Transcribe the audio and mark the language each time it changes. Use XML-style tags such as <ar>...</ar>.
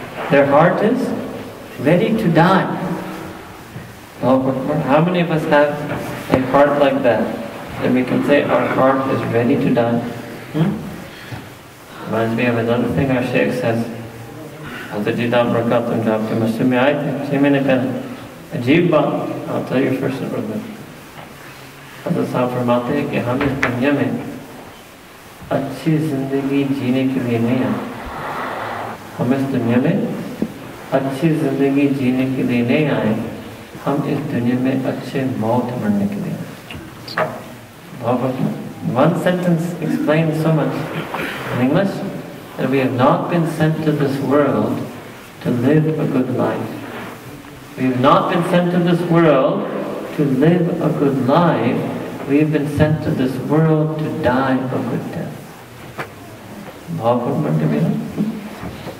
<en>Their heart is ready to die. How many of us have a heart like that? That we can say our heart is ready to die. Reminds me of another thing our Shaykh says. I'll tell you first in Urdu.</en> <ur>حضرت صاحب فرماتے ہے کہ ہم اس دنیا میں اچھی زندگی جینے کے لیے نہیں آئے۔ ہم اس دنیا میں اچھی زندگی جینے کے لیے نہیں آئے۔ ہم اس دنیا میں اچھے موت مرنے کے لیے۔</ur> <en>One sentence explains so much in English, that we have not been sent to this world to live a good life. We have not been sent to this world to live a good life. We have been sent to this world to die a good death.</en>